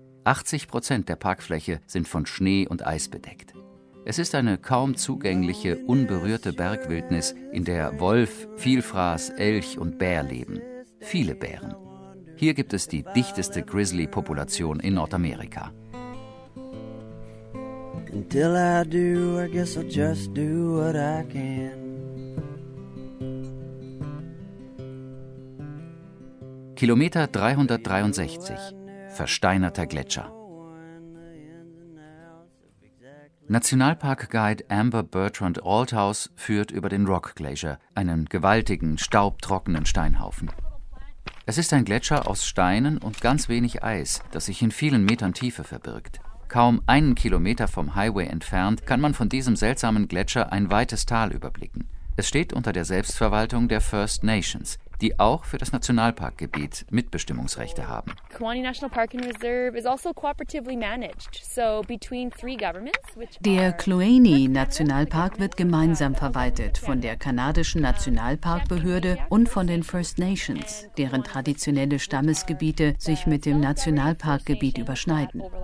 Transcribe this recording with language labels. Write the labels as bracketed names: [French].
[German] 80% der Parkfläche sind von Schnee und Eis bedeckt. Es ist eine kaum zugängliche, unberührte Bergwildnis, in der Wolf, Vielfraß, Elch und Bär leben. Viele Bären. Hier gibt es die dichteste Grizzly-Population in Nordamerika. [English] Until I do, I guess I'll just do what I can. [German] Kilometer 363. Versteinerter Gletscher. Nationalparkguide Amber Bertrand Althaus führt über den Rock Glacier, einen gewaltigen, staubtrockenen Steinhaufen. Es ist ein Gletscher aus Steinen und ganz wenig Eis, das sich in vielen Metern Tiefe verbirgt. Kaum einen Kilometer vom Highway entfernt kann man von diesem seltsamen Gletscher ein weites Tal überblicken. Es steht unter der Selbstverwaltung der First Nations, die auch für das Nationalparkgebiet Mitbestimmungsrechte haben. [English] Kluane National Park and Reserve is also cooperatively managed, so between three governments. [German] Der Kluane Nationalpark wird gemeinsam verwaltet von der kanadischen Nationalparkbehörde und von den First Nations, deren traditionelle Stammesgebiete sich mit dem Nationalparkgebiet überschneiden.